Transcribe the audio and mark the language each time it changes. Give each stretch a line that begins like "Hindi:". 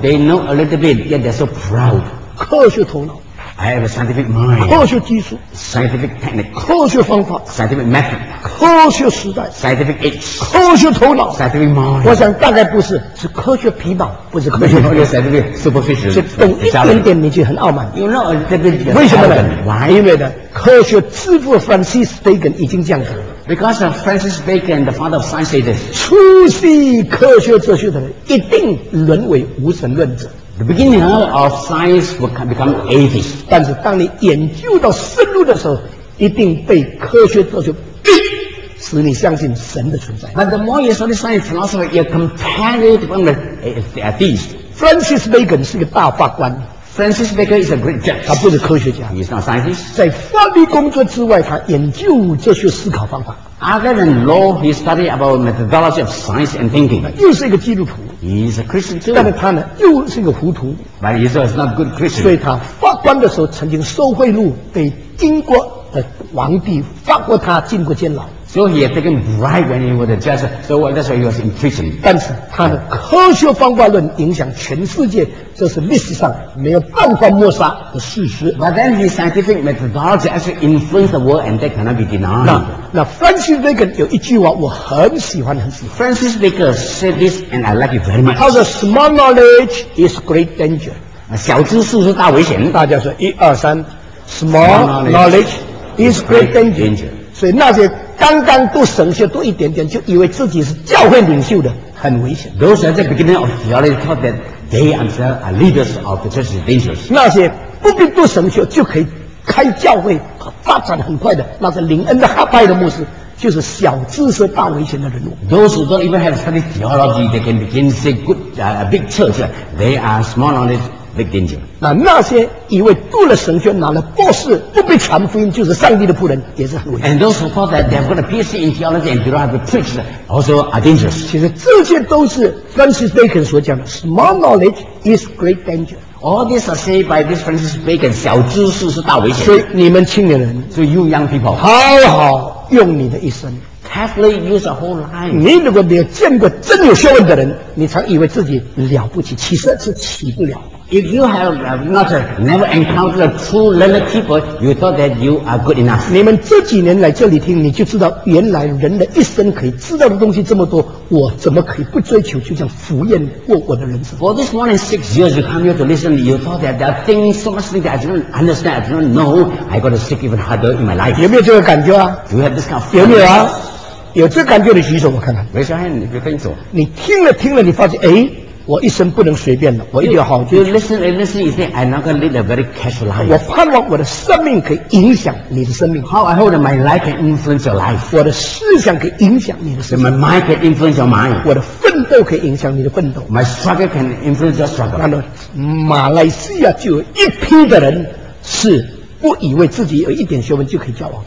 English: They know a little bit, yet they're so proud.
Chinese: 科学头脑。
English: I have a scientific mind.
Chinese: 科学技术。
English: Scientific technique.
Chinese: 科学方法。
English: Scientific method.
Chinese: 科学时代。
English: Scientific age.
Chinese: 科学头脑。
English: Scientific mind.
Chinese: 我想大概不是，是科学皮毛，不是科学。
English: 科学 scientific superficial.
Chinese: 是懂一点点，你就很傲慢。
English: You know a little bit.
Chinese: 为什么呢？
English: Why?
Chinese: 因为呢，科学之父 Francis Bacon 已经这样讲。
English: Because of Francis Bacon, the father of science, said this.
Chinese: 初期科学哲学的人一定沦为无神论者。
English: The beginning of science will become atheist.
Chinese: 但是当你研究到深入的时候，一定被科学哲学逼使你相信神的存在。
English: But the more you study science philosophy, you compare it to the atheist.
Chinese: Francis Bacon 是个大法官。
English: Francis Bacon is a great judge.
Chinese: 他不是科学家。
English: He is not a scientist.
Chinese: 在法律工作之外，他研究哲学思考方法。
English: Other than law, he studied about methodology of science and thinking.
Chinese: 又是一个基督徒。
English: He is a Christian too.
Chinese: 但是他呢，又是一个糊涂。
English: But he was not a good Christian.
Chinese: 所以他法官的时候，曾经受贿赂，被英国的皇帝放过他，进过监牢。
English: So he had taken bribe when he was a judge. So that's why he was in prison.
Chinese: 但是他的科学方法论影响全世界，这是历史上没有办法抹杀的事实。
English: But then his scientific methodology actually influenced the world, and that cannot be denied.
Chinese: 那 Francis Bacon 有一句话我很喜欢，很喜欢。
English: Francis Bacon said this, and I like it very much. How the small knowledge is great danger.
Chinese: 小知识是大危险。大家说一二三
English: ，small knowledge is great danger.
Chinese: 所以那些刚刚读神学多一点点，就以为自己是教会领袖的，很危险。
English: Those at the beginning of theology thought that they themselves are leaders of the church is dangerous.
Chinese: 那些不必读神学就可以开教会发展很快的，那个灵恩的哈派的牧师，就是小知识大危险的人物。
English: Those who don't even have studied theology, they can begin say good a big church. They are small knowledge. Big danger.
Chinese: 那些以为读了神学拿了博士不被传福音就是上帝的仆人，也是很危险。
English: And those who thought that they've got a PhD in theology and don't have to preach also are dangerous.
Chinese: 其实这些都是 Francis Bacon 所讲的
English: small knowledge is great danger. All these are said by this Francis Bacon.
Chinese: 小知识是大危险。所以你们青年人
English: ，So you young people，
Chinese: 好好用你的一生。
English: Carefully use a whole life.
Chinese: 你如果没有见过真有学问的人，你常以为自己了不起，其实是起不了。
English: If you have never encountered a true learned people, you thought that you are good enough.
Chinese: 你们这几年来这里听，你就知道原来人的一生可以知道的东西这么多，我怎么可以不追求？就像浮燕过我的人生。
English: For this morning, six years you come here to listen, you thought that there are things so much things that I didn't understand, I didn't know. I got to seek even harder in my life.
Chinese: 有没有这个感觉啊？
English: Do you have this kind of feeling?
Chinese: 有没有啊？有这感觉的举手，我看看。
English: Raise your hand if you think so.
Chinese: 你听了听了，你发现哎，我一生不能随便了，我一定要好好。
English: You listen and listen, you say I'm not going to live a very casual life.
Chinese: 我盼望我的生命可以影响你的生命。
English: How I hope that my life can influence your life.
Chinese: 我的思想可以影响你的思想。
English: My mind can influence your mind.
Chinese: 我的奋斗可以影响你的奋斗。
English: My struggle can influence your struggle.
Chinese: 看到马来西亚就有一批的人是。不以为自己有一点学问就可以交往。